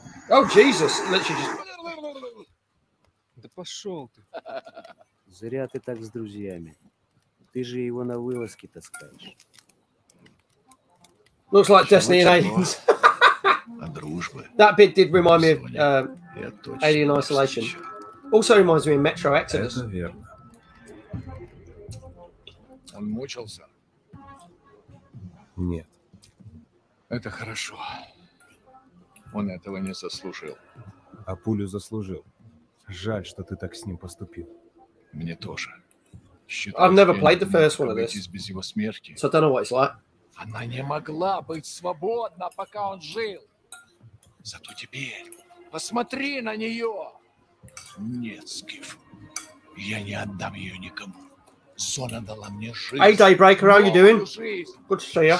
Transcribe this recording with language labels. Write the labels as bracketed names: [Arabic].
[English] Oh, Jesus. Literally just... [Russian] Да пошел ты. Зря ты так с друзьями. Ты же его на вылазки таскаешь. [English] Looks like Destiny and Aliens. That bit did remind me of Alien Isolation. Also reminds me of Metro Exodus. [Russian] Он мучился? Нет. Это хорошо. Он этого не заслужил. А пулю заслужил. Жаль, что ты так с ним поступил. Мне тоже. Считаю, [English] I've never played the first one of this. [Russian] Без его смерти. [English] So I don't know what it's like. [Russian] Она не могла быть свободна, пока он жил. Зато теперь посмотри на нее. Нет, Скиф. Я не отдам ее никому. Зона дала мне жизнь. [English] Hey, Daybreaker, how you doing? Good to see you.